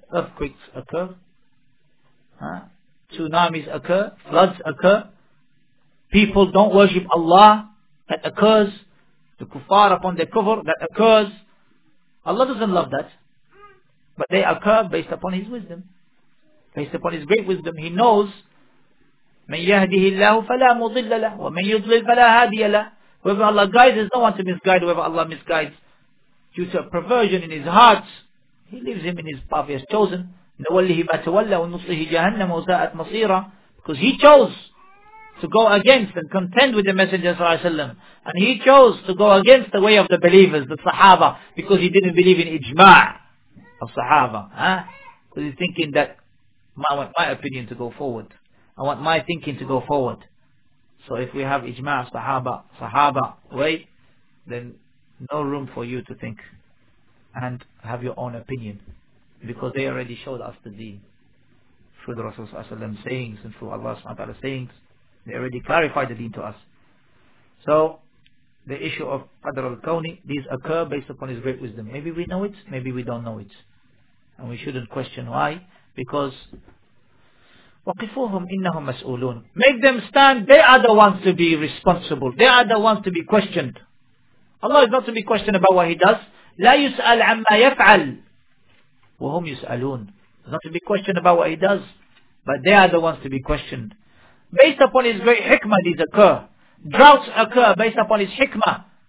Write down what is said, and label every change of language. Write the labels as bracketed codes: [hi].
[en] Earthquakes occur, tsunamis occur, floods occur, people don't worship Allah, that occurs, the kuffar upon their kufr, that occurs. Allah doesn't love that. But they occur based upon His wisdom. Based upon His great wisdom, He knows, [ar] مَنْ يَهْدِهِ اللَّهُ فَلَا مُضِلَّ لَهُ وَمَنْ يُضْلِلْ فَلَا هَادِيَ لَهُ. [en] Whoever Allah guides, there's no one to misguide. Whoever Allah misguides due to a perversion in his heart, He leaves him in his path He has chosen. [ar] نَوَلِّهِ مَا تَوَلَّ وَنُصْلِهِ جَهَنَّمَ وَسَاءَتْ مَصِيرًا. [en] Because He chose to go against and contend with the Messenger Sallallahu Alaihi Wasallam. And He chose to go against the way of the believers, the Sahaba, because He didn't believe in ijma' of Sahaba. Because He's thinking that I want my opinion to go forward. I want my thinking to go forward. So if we have ijma' sahaba way, then no room for you to think and have your own opinion, because they already showed us the deen through the Rasulullah's sayings and through Allah's sayings. They already clarified the deen to us. So the issue of Qadr al-Kawni, these occur based upon His great wisdom. Maybe we know it, maybe we don't know it, and we shouldn't question why. Because [ar] وَقِفُوهُمْ إِنَّهُمْ مَسْؤُولُونَ. [en] Make them stand. They are the ones to be responsible. They are the ones to be questioned. Allah is not to be questioned about what He does. [ar] لَا يُسْأَلْ عَمَّا يَفْعَلْ وَهُمْ يُسْأَلُونَ. [en] Not to be questioned about what He does, but they are the ones to be questioned. Based upon His great hikmah, these occur. Droughts occur based upon His hikmah.